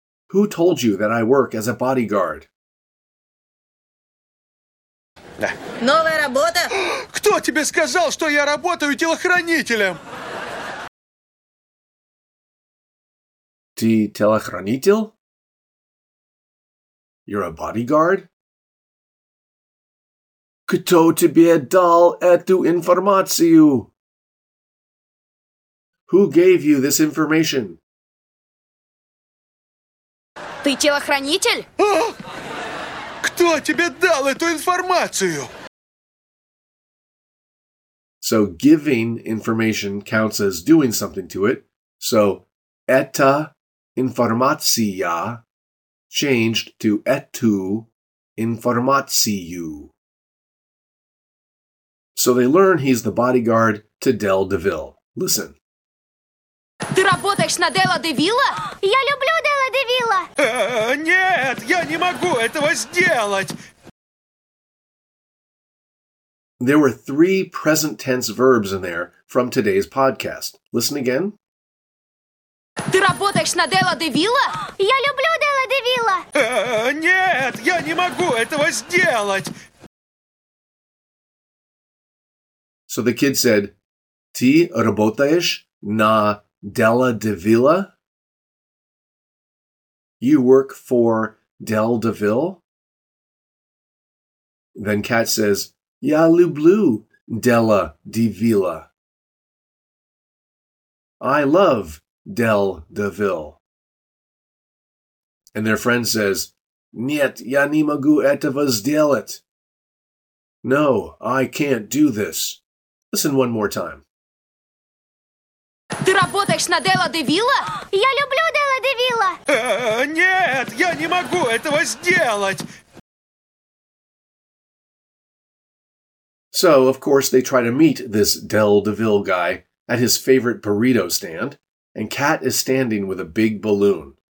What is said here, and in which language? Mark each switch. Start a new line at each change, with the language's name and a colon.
English: Who told you that I work as a bodyguard?
Russian: Новая работа? Кто тебе сказал, что я работаю телохранителем? Ты телохранитель?
English: You're a bodyguard?
Russian: Кто тебе дал эту информацию?
English: Who gave you this information?
Russian: Ты телохранитель? Кто тебе дал эту информацию?
English: So giving information counts as doing something to it. So
Russian: эта информация
English: changed to
Russian: эту информацию.
English: So they learn he's the bodyguard to Del DeVille. Listen.
Russian: Ты работаешь на Дела Девилла? Я люблю Дела Девилла. Нет, я не могу этого сделать.
English: There were 3 present tense verbs in there from today's podcast. Listen again.
Russian: Ты работаешь на Дела Девилла? Я люблю Дела Девилла. Нет, я не могу этого сделать.
English: So the kid said,
Russian: Ты работаешь на Дела Девилла?
English: You work for Del DeVille? Then Kat says,
Russian: Я люблю Дела Девилла.
English: I love Del DeVille. And their friend says,
Russian: Нет, я не могу этого сделать.
English: No, I can't do this. Listen one more time.
Russian: Ты работаешь на Делла де Вилла? Я люблю Делла де Вилла. Нет, я не могу этого сделать.
English: So, of course, they try to meet this Del DeVille guy at his favorite burrito stand, and Kat is standing with a big balloon.